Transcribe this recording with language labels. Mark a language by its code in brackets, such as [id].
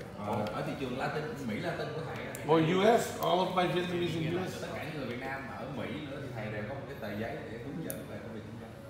[vi] ở thị trường Latin, Mỹ Latin của thầy. [en] Well, US, all of my Vietnamese in US. [vi] Tất cả những người Việt Nam ở Mỹ nữa thì thầy đều có một cái tờ giấy để hướng dẫn về công việc kinh doanh.